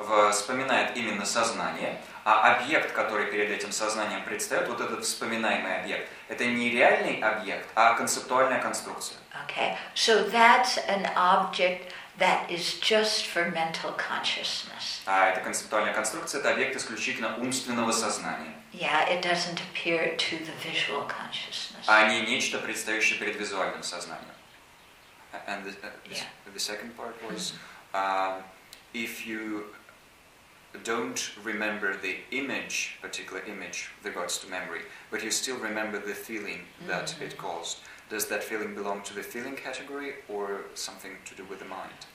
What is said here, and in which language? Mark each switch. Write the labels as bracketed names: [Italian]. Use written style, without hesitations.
[Russian] Вспоминает именно сознание. А объект, который перед этим сознанием предстает, вот этот вспоминаемый объект, это не реальный объект, а концептуальная конструкция. [English] Okay, so that's an object that is just for mental consciousness. [Russian] А эта концептуальная конструкция, это объект исключительно умственного сознания. [English] Yeah, it doesn't appear to the visual consciousness. [Russian] А не нечто, предстающее перед визуальным сознанием. [English] And the second part was, if you don't remember the image, particular image, with regards to memory, but you still remember the feeling that it caused. Does that feeling belong to the feeling category or something to do with the mind?